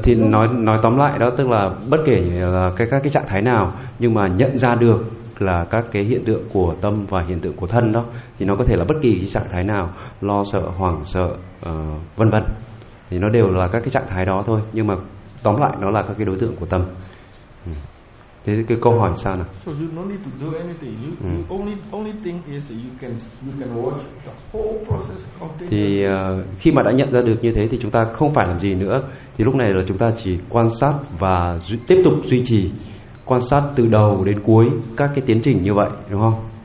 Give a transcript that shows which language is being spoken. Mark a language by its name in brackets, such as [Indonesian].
[Vietnamese] thì nói tóm lại đó, tức là bất kể là các cái trạng thái nào nhưng mà nhận ra được là các cái hiện tượng của tâm và hiện tượng của thân đó, thì nó có thể là bất kỳ cái trạng thái nào, lo sợ, hoảng sợ, vân vân, thì nó đều là các cái trạng thái đó thôi, nhưng mà tóm lại nó là các cái đối tượng của tâm. Thế cái câu hỏi sao nào? [English] So you don't need to do anything. You, only thing is you can watch the whole process continuously. [Vietnamese] Thì khi mà đã nhận ra được như thế thì chúng ta không phải làm gì nữa. Thì lúc này là chúng ta chỉ quan sát và tiếp tục duy trì quan sát từ đầu đến cuối các cái tiến trình như vậy, đúng không?